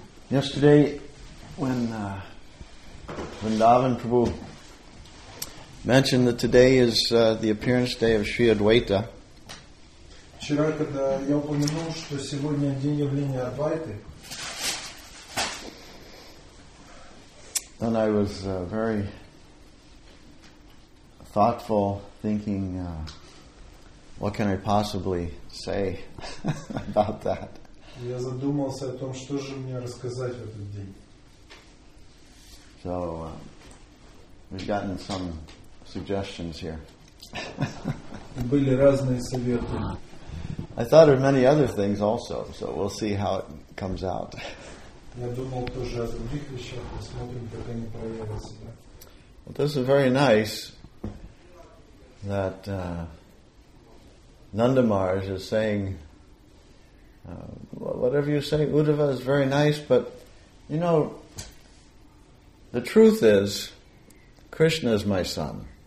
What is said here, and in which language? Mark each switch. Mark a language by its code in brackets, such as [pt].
[en] Yesterday, when Vrindavan Prabhu mentioned that today is the appearance day of Sri Advaita. [ru] Вчера, когда я упомянул, что сегодня день явления Адвайты, [en] then I was very thoughtful, thinking, what can I possibly say about that? [ru] Я задумался о том, что же мне рассказать в этот день. [en] So we've gotten some suggestions here. [ru] Были разные советы. [en] I thought of many other things also, so we'll see how it comes out. [ru] Я думал тоже о других вещах, посмотрим, как они проявят себя. [en] Well, this is very nice that Nanda Maharaj is saying, whatever you say, Uddhava is very nice, but you know, the truth is, Krishna is my son.